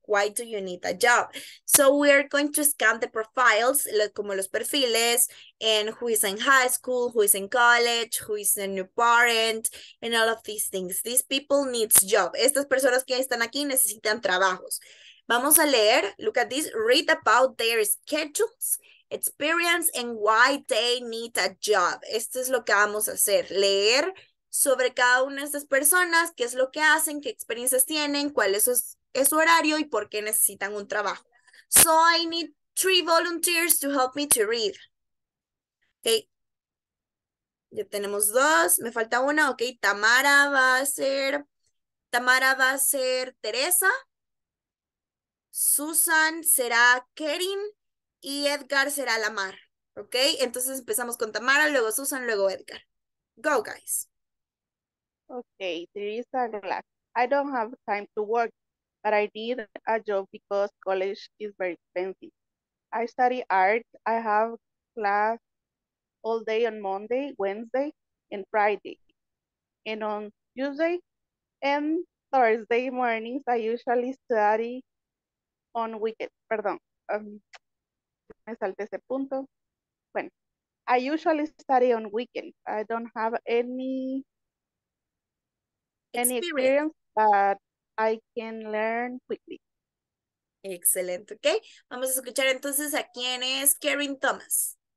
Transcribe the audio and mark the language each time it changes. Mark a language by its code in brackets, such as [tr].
[en] Why do you need a job? So we're going to scan the profiles, [es] como los perfiles, [en] and who is in high school, who is in college, who is a new parent, and all of these things. These people need job. [es] Estas personas que están aquí necesitan trabajos. Vamos a leer, [en] look at this, read about their schedules, experience, and why they need a job. [es] Esto es lo que vamos a hacer, leer sobre cada una de estas personas, qué es lo que hacen, qué experiencias tienen, cuál es su horario y por qué necesitan un trabajo. [en] So I need 3 volunteers to help me to read. Okay. [es] Ya tenemos 2, me falta una. Okay, Tamara va a ser Teresa. Susan será Kerin. Y Edgar será la mar, ¿ok? Entonces empezamos con Tamara, luego Susan, luego Edgar. [en] Go, guys. Okay, there is a relax. I don't have time to work, but I need a job because college is very expensive. I study art. I have class all day on Monday, Wednesday, and Friday. And on Tuesday and Thursday mornings, I usually study on weekends. [es] Me salté ese punto. Bueno, [en] I usually study on weekends. I don't have any experience, but I can learn quickly. [es] Excelente, ok. Vamos a escuchar entonces a quién es Karen Thomas.